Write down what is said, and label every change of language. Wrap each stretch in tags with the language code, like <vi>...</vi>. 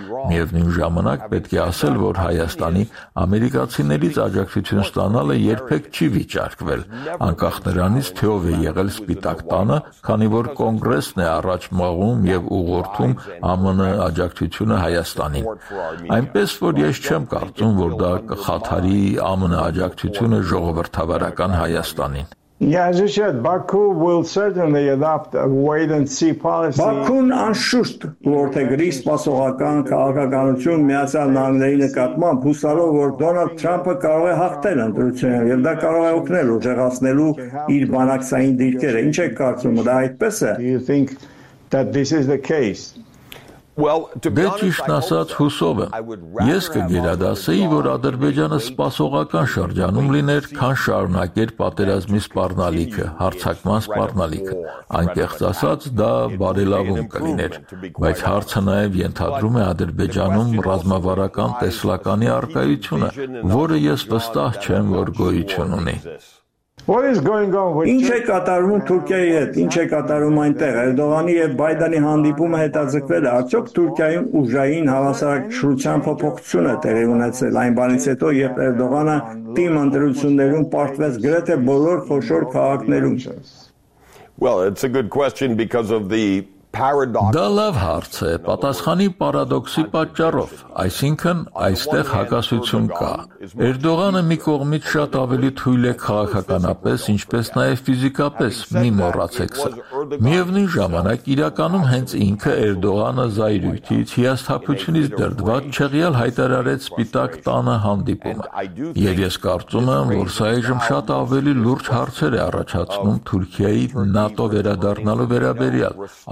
<hy>Միևնույն ժամանակ պետք է ասել, որ Հայաստանի ամերիկացիներից աջակցություն ստանալը երբեք չի վիճարկվել, անկախ նրանից, թե ով է եղել Սպիտակ տանը, քանի որ կոնգրեսն է առաջ մղում եւ ուղղորդում ԱՄՆ-ի աջակցությունը Հայաստանին։ Այնպես որ ես չեմ կարծում, որ դա կխաթարի ԱՄՆ-ի աջակցությունը ժողովրդավարական Հայաստանին։</hy> <en>Yazıcet, Baku will certainly adopt a wait and see policy.</en> <hy>Բաքուն անշուշտ որթեգրի սպասողական քաղաքականություն Միացյալ Նահանգների նկատմամբ, հուսալով, որ Դոնալդ Թրամփը կարող է հաղթել ընտրությունը, եւ դա կարող է օգնել ուժեղացնելու իր բանակցային դիրքերը։ Ինչ եք կարծում, դա այդպես է?</hy> <en>You think that this is the case? Well, to be honest,</en> <hy>հուսով եմ։ Ես կգերադասեի, որ Ադրբեջանը սպասողական շրջանում լիներ, քան շարունակեր պատերազմի սպառնալիքը, հարձակման սպառնալիքը։ Անկեղծ ասած, դա բարելավում կլիներ, բայց հարցը նաև ենթադրում է Ադրբեջանում ռազմավարական տեսլականի առկայությունը, որը ես վստահ չեմ, որ գոյություն ունի։</hy> <en>What is going on with Turkey?</en> <hy>Ինչ է կատարվում Թուրքիայի հետ, ինչ է կատարվում այնտեղ։ Էրդողանի եւ Բայդենի հանդիպումը հետաձգվել է, արդյոք Թուրքիայում ուժային հավասարակշռության փոփոխություն է տեղի ունեցել այն բանից հետո, երբ Էրդողանը թիմ ընտրություններում պարտվեց գրեթե բոլոր խոշոր քաղաքներում։</hy> <en>Well, it's a good question because of the paradox.</en> <hy>Դա լավ հարց է, պատասխանի պարադոքսի պատճառով, այսինքն այստեղ հակասություն կա։ Էրդողանը մի կողմից շատ ավելի թույլ է քաղաքականապես, ինչպես նաև ֆիզիկապես, մի մոռացեք սա։ Միևնույն ժամանակ իրականում հենց ինքը Էրդողանը զայրույթից, հիասթափությունից դրդված չեղյալ հայտարարեց Սպիտակ տանը հանդիպումը։ Եվ ես կարծում եմ, որ սա այժմ շատ ավելի լուրջ հարցեր է առաջացնում Թուրքիայի ՆԱՏՕ վերադառնալու վերաբերյալ։</hy>